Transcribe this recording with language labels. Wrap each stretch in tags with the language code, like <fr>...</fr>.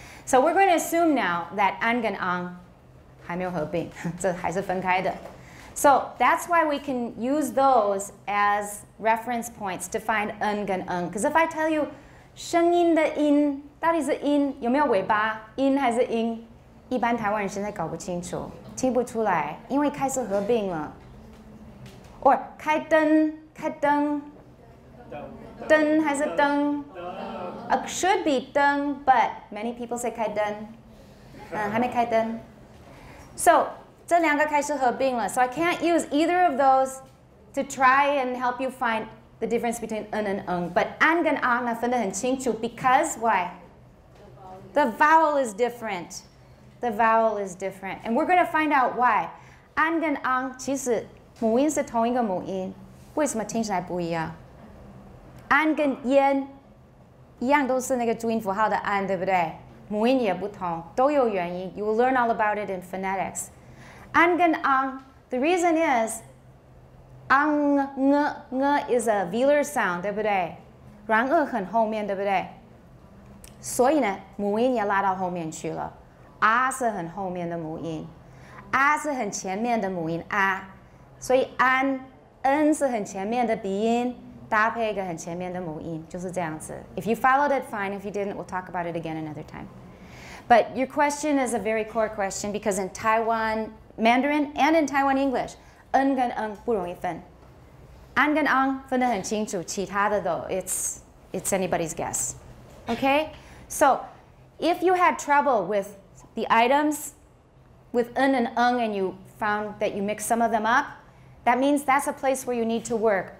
<en>So we're going to assume now that an and ang</en> <zh>还没有合并, 这还是分开的.</zh> <en>So that's why we can use those as reference points to find an and ng. Because if I tell you</en> <zh>声音的音到底是音有没有尾巴？音还是音？一般台湾人现在搞不清楚，听不出来，因为开始合并了。 Or 开灯，开灯，灯还是灯？灯。</zh> <en>It should be 灯 ，but many people say 开灯。</en> <zh>还没开灯。 So 这两个开始合并了。</zh> <en>So I can't use either of those to try and help you find the difference between n and ng. But an 跟 a</en> <zh>那分得很清楚</zh> <en>，because why？ The vowel is different. The vowel is different. And we're going to find out why. An 跟 ang</en> <zh>其实母音是同一个母音，为什么听起来不一样？ An 跟 yan 一样都是那个注音符号的 an， 对不对？母音也不同，都有原因。</zh> <en>You will learn all about it in phonetics. An 跟 ang， the reason is ang ng ng is a velar sound，</en> <zh>对不对？然而很后面，对不对？所以呢，母音也拉到后面去了。啊是很后面的母音，啊是很前面的母音啊。所以安 ，n 是很前面的鼻音，搭配一个很前面的母音，就是这样子。</zh> <en>If you followed it, fine. If you didn't, we'll talk about it again another time. But your question is a very core question because in Taiwan Mandarin and in Taiwan English, n 跟 ng</en> <zh>不容易分</zh> <en>，an 跟 ang</en> <zh>分得很清楚。其他的</zh> <en>though, it's anybody's guess. Okay, so if you had trouble with the items, with n and ng, and you found that you mixed some of them up, that means that's a place where you need to work.</en>